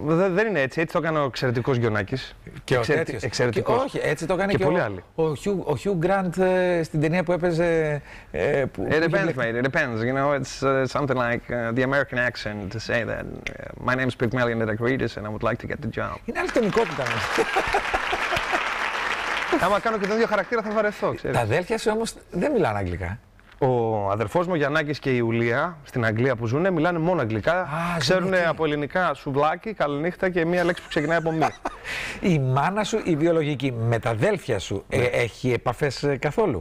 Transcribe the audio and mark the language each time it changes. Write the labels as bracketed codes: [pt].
[el] δεν είναι έτσι, έτσι το έκανε ο εξαιρετικός Γιονάκης. Και ο τέτοιος. Εξαιρετικός. Όχι, έτσι το έκανε και ο Hugh Grant στην ταινία που έπαιζε... [en] It depends, you know, it's something like the American accent to say that my name is Pygmalion Dadakarides and I would like to get the job. [el] Είναι άλλη τονικότητα. Άμα κάνω και τον ίδιο χαρακτήρα θα βαρεθώ, ξέρεις. Τα αδέλφια σου όμως δεν μιλάνε αγγλικά. Ο αδερφός μου Γιαννάκης και η Ιουλία στην Αγγλία που ζουν μιλάνε μόνο αγγλικά. Ξέρουν από ελληνικά σουβλάκι, καληνύχτα και μία λέξη που ξεκινάει από μία. Η μάνα σου, η βιολογική, με τα αδέλφια σου έχει επαφές καθόλου?